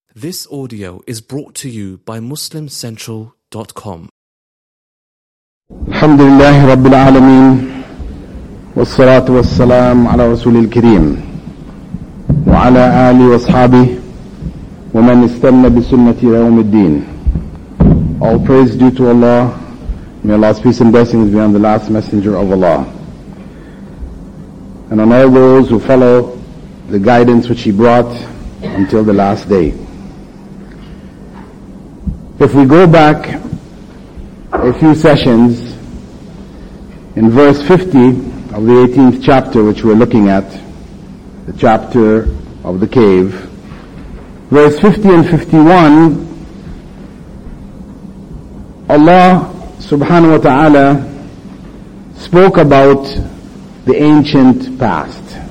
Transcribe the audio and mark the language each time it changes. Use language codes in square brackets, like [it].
[en] This audio is brought to you by MuslimCentral.com. [ar] الحمد لله رب العالمين والصلاة والسلام على رسول الكريم وعلى آله وصحبه ومن استنى بسنة يوم الدين. [en] All praise due to Allah. May Allah's peace and blessings be on the last messenger of Allah and on all those who follow the guidance which he brought until the last day. If we go back a few sessions in verse 50 of the 18th chapter which we're looking at, the chapter of the cave, verse 50 and 51, Allah subhanahu wa ta'ala spoke about the ancient past.